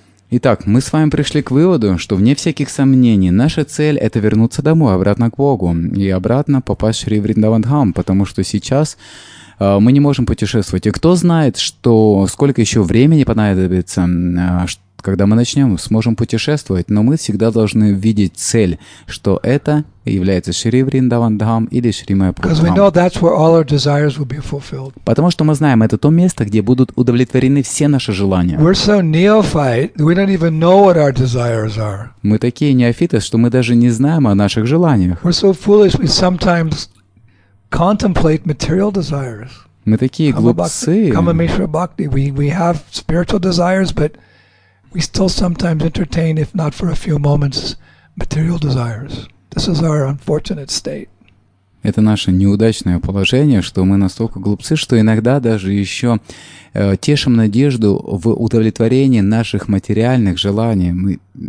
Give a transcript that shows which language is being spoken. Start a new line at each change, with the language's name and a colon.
Russian: Итак, мы с вами пришли к выводу, что вне всяких сомнений, наша цель — это вернуться домой, обратно к Богу, и обратно попасть в Шри Вриндавандхам, потому что сейчас мы не можем путешествовать. И кто знает, что сколько еще времени понадобится, когда мы начнем, сможем путешествовать, но мы всегда должны видеть цель, что это является Шри Вриндавандхам или Шри Майяпурхам. Потому что мы знаем, это то место, где будут удовлетворены все наши желания.
English: We're so neophyte, we don't even know what our desires are.
Russian: Мы такие неофиты, что мы даже не знаем о наших желаниях.
English: We're so foolish, we sometimes contemplate material desires.
Russian: Мы такие глупцы.
Sanskrit: Kama Mishra Bhakti.
English: We have spiritual desires, but we still sometimes entertain, if not for a few moments, material desires. This is our unfortunate state.
Russian: Это наше неудачное положение, что мы настолько глупцы, что иногда даже еще тешим надежду в удовлетворении наших материальных желаний.